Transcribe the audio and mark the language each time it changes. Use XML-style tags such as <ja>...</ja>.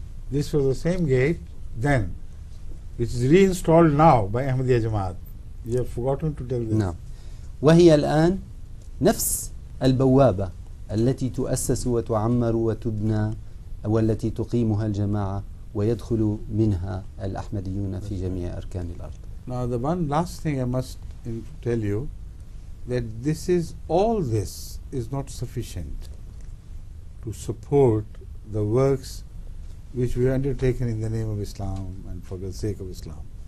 <en>This was the same gate then. Which is reinstalled now by Ahmadiyya Jamaat. You have forgotten to tell this.</en> <ar>نعم. وهي الآن نفس البوابة التي تؤسس وتعمر وتبنى والتي تقيمها الجماعة ويدخل منها الأحمديون في جميع أركان الأرض.</ar> <en>Now the one last thing I must tell you that this is all this is not sufficient to support the works which we undertaken in the name of Islam and for the sake of Islam.</en>